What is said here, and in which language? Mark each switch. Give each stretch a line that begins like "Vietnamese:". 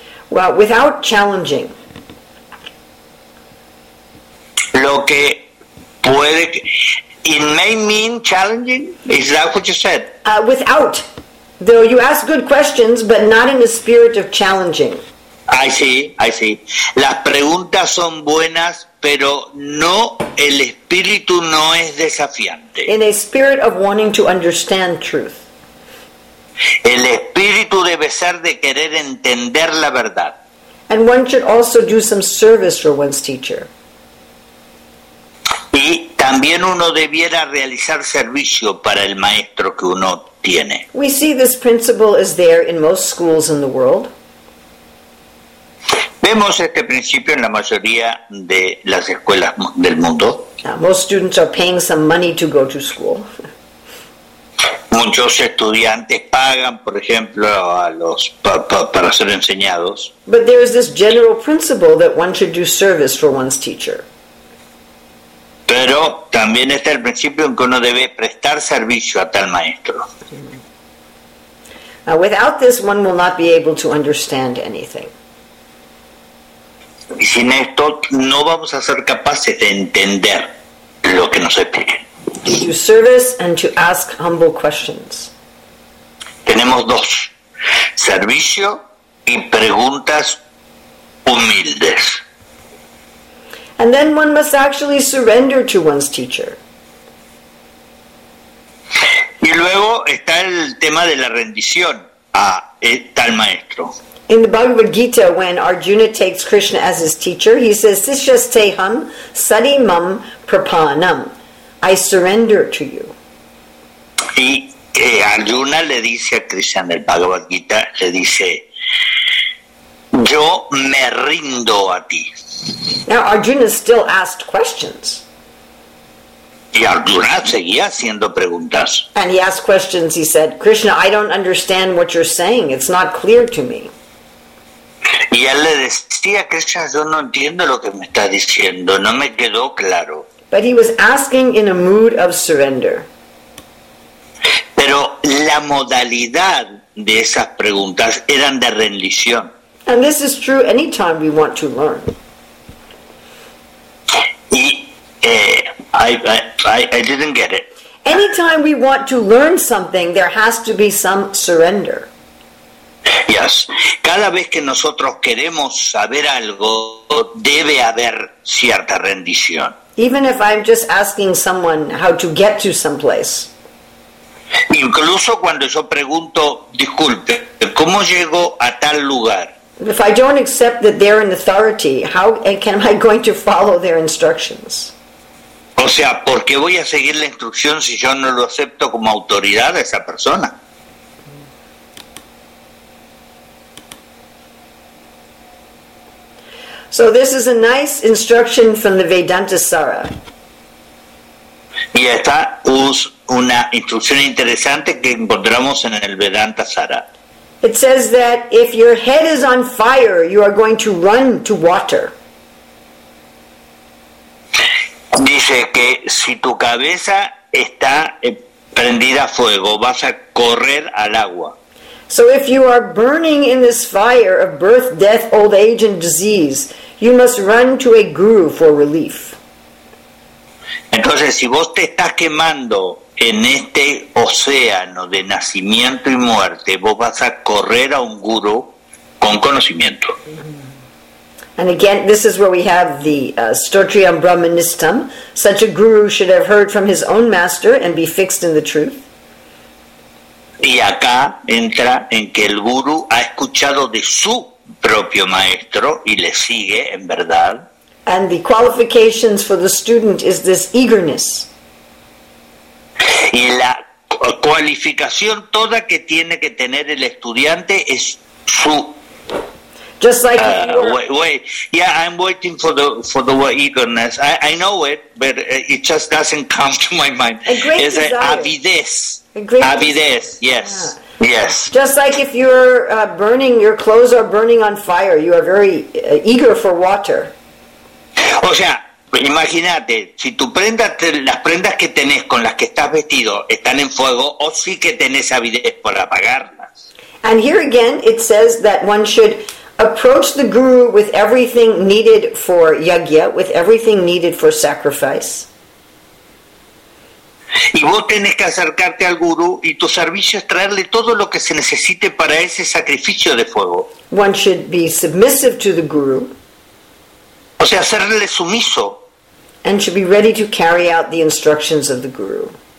English: Well, without challenging.
Spanish: Lo que puede...
English: It may mean challenging? Is that what you said? Without. Though you ask good questions, but not in the spirit of challenging. I see.
Spanish: Las preguntas son buenas, pero no, el espíritu no es desafiante.
English: In a spirit of wanting to understand truth.
Spanish: El espíritu debe ser de querer entender la verdad.
English: And one should also do some service for one's teacher.
Spanish: Y también uno debiera realizar servicio para el maestro que uno tiene.
English: We see this principle is there in most schools in the world.
Spanish: Vemos este principio en la mayoría de las escuelas del mundo.
English: Most students are paying some money to go to school.
Spanish: muchos estudiantes pagan, por ejemplo, a los para ser enseñados.
English: But there is this general principle that one should do service for one's teacher.
Spanish: Pero también está el principio en que uno debe prestar servicio a tal maestro.
English: Now, without this, one will not be able to understand anything.
Spanish: Y sin esto, no vamos a ser capaces de entender lo que nos expliquen.
English: To do service and to ask humble questions.
Spanish: Tenemos dos: servicio y preguntas humildes.
English: And then one must actually surrender to one's teacher.
Spanish: Y luego está el tema de la rendición a tal maestro.
English: In the Bhagavad Gita, when Arjuna takes Krishna as his teacher, he says,
Sanskrit: "Sishyasteham sadimam prapanam."
English: I surrender to you.
Spanish: Y Arjuna le dice a Krishna en el Bhagavad Gita, le dice, yo me rindo a ti.
English: Now Arjuna still asked questions.
Spanish: Y Arjuna seguía haciendo preguntas.
English: And he asked questions, he said, Krishna, I don't understand what you're saying. It's not clear to me.
Spanish: Y él le decía, Krishna, yo no entiendo lo que me está diciendo. No me quedó claro.
English: But he was asking in a mood of surrender.
Spanish: Pero la modalidad de esas preguntas eran de rendición.
English: And this is true anytime we want to learn. Y I didn't get it. Anytime we want to learn something, there has to be some surrender. Yes.
Spanish: Cada vez que nosotros queremos saber algo, debe haber cierta rendición.
English: Even if I'm just asking someone how to get to some place.
Spanish: Incluso cuando yo pregunto, disculpe, ¿cómo llego a tal lugar?
English: If I don't accept that they're an authority, how am I going to follow their instructions?
Spanish: O sea, ¿por qué voy a seguir la instrucción si yo no lo acepto como autoridad a esa persona?
English: So this is a nice instruction from the Vedanta Sara.
Spanish: Y esta es una instrucción interesante que encontramos en el Vedanta Sara.
English: It says that if your head is on fire, you are going to run to water.
Spanish: Dice que si tu cabeza está prendida a fuego, vas a correr al agua.
English: So if you are burning in this fire of birth, death, old age and disease, you must run to a guru for relief.
Spanish: Entonces, si vos te estás quemando en este océano de nacimiento y muerte, vos vas a correr a un guru con conocimiento.
English: And again, this is where we have the Stotriam Brahmanistam. Such a guru should have heard from his own master and be fixed in the truth.
Spanish: Y acá entra en que el guru ha escuchado de su propio maestro y le sigue en verdad.
English: And the qualifications for the student is this eagerness.
Spanish: Y la cualificación toda que tiene que tener el estudiante es su.
English: Just like I'm waiting for the word eagerness. I know it, but it just doesn't come to my mind. It's avidez. Avidez. Yes. Yeah. Yes. Just like if you're burning, your clothes are burning on fire, you are very eager for water.
Spanish: O sea, imagínate, si tu prenda, las prendas que tenés con las que estás vestido están en fuego, o sí que tenés avidez por apagarlas.
English: And here again, it says that one should approach the guru with everything needed for yajna, with everything needed for sacrifice.
Spanish: Y vos tenés que acercarte al gurú y tu servicio es traerle todo lo que se necesite para ese sacrificio de fuego.
English: One should be submissive to the guru.
Spanish: O sea, hacerle sumiso.
English: And should be ready to carry out the instructions of the guru.